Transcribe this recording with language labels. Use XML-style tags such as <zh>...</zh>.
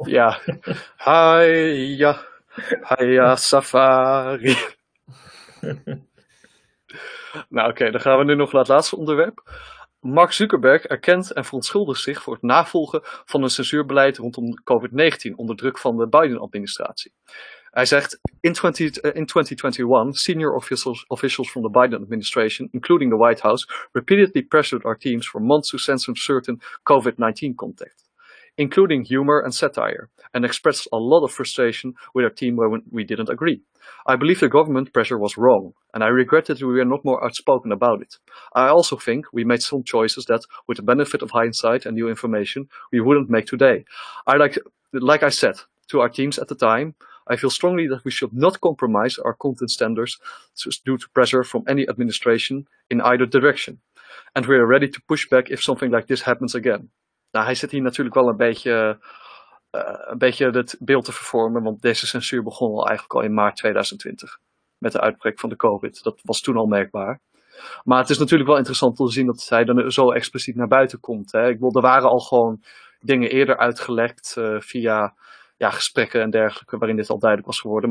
<nl>Ja. Hai, ja. Haya safari. Nou oké, dan gaan we nu nog naar het laatste onderwerp. Mark Zuckerberg erkent en verontschuldigt zich voor het navolgen van een censuurbeleid rondom COVID-19 onder druk van de Biden-administratie. Hij zegt,</nl> <en>in 2021, senior officials from the Biden administration, including the White House, repeatedly pressured our teams for months to censor certain COVID-19 content, including humor and satire, and expressed a lot of frustration with our team when we didn't agree. I believe the government pressure was wrong, and I regret that we are not more outspoken about it. I also think we made some choices that, with the benefit of hindsight and new information, we wouldn't make today. Like I said to our teams at the time, I feel strongly that we should not compromise our content standards due to pressure from any administration in either direction. And we are ready to push back if something like this happens again.</en> <nl>Nou, hij zit hier natuurlijk wel een beetje het beeld te vervormen, want deze censuur begon al eigenlijk al in maart 2020 met de uitbraak van de COVID. Dat was toen al merkbaar. Maar het is natuurlijk wel interessant om te zien dat hij dan zo expliciet naar buiten komt. Hè. Ik bedoel, er waren al gewoon dingen eerder uitgelekt via ja, gesprekken en dergelijke, waarin dit al duidelijk was geworden.</nl>